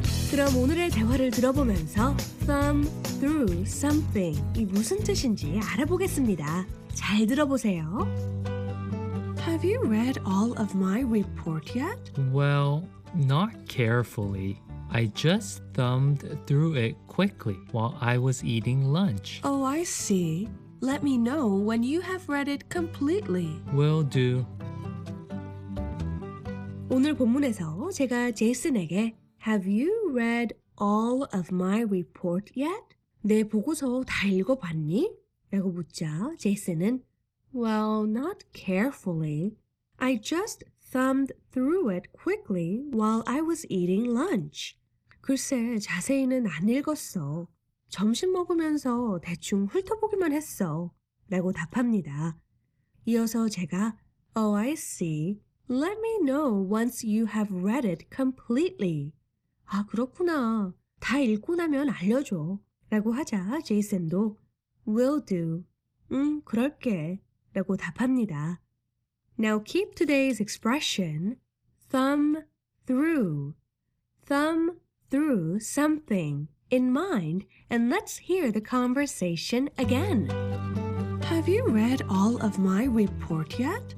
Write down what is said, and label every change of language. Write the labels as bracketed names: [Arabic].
[Korean] 그럼 오늘의 대화를 들어보면서 [English] thumb through something [Korean] 이 무슨 뜻인지 알아보겠습니다. 잘 들어보세요. [English] Have you read all of my report yet? Well, not carefully. I just thumbed through it quickly while I was eating lunch. Oh, I see. Let me know when you have read it completely. Will do. [Korean] 오늘 본문에서 제가 제이슨에게 [English] Have you read all of my report yet? [Korean] 내 보고서 다 읽어봤니? 라고 묻자 제이슨은 [English] Well, not carefully. I just thumbed through it quickly while I was eating lunch. [Korean] 글쎄, 자세히는 안 읽었어. 점심 먹으면서 대충 훑어보기만 했어. 라고 답합니다. 이어서 제가, [English] Oh, I see. Let me know once you have read it completely. [Korean] 아, 그렇구나. 다 읽고 나면 알려줘. 라고 하자 제이슨도, [English] Will do. [Korean] 그럴게 라고 답합니다. [English] Now keep today's expression, thumb through something in mind, and let's hear the conversation again. Have you read all of my report yet?